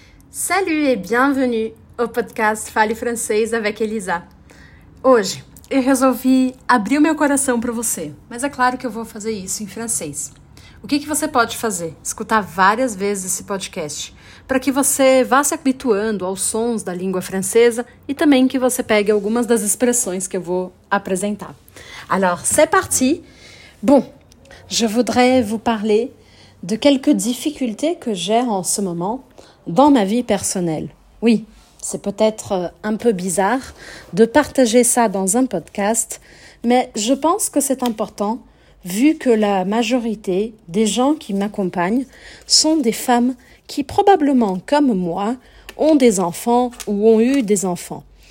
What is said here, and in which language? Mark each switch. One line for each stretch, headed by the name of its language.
French: Salut et bienvenue au podcast Fale Francês avec Elisa.
Portuguese: Hoje, eu resolvi abrir o meu coração para você, mas é claro que eu vou fazer isso em francês. O que você pode fazer? Escutar várias vezes esse podcast, para que você vá se habituando aos sons da língua francesa e também que você pegue algumas das expressões que eu vou apresentar.
French: Alors, c'est parti! Bon, je voudrais vous parler de quelques difficultés que j'ai en ce moment dans ma vie personnelle. Oui, c'est peut-être un peu bizarre de partager ça dans un podcast, mais je pense que c'est important vu que la majorité des gens qui m'accompagnent sont des femmes qui probablement, comme moi, ont des enfants ou ont eu des enfants.